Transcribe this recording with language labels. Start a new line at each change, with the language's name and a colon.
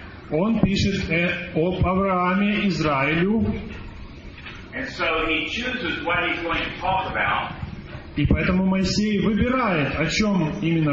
Russian: Он пишет об Аврааме, Израилю.
English: So he chooses what he's going to talk about.
Russian: И поэтому Моисей выбирает, о чем именно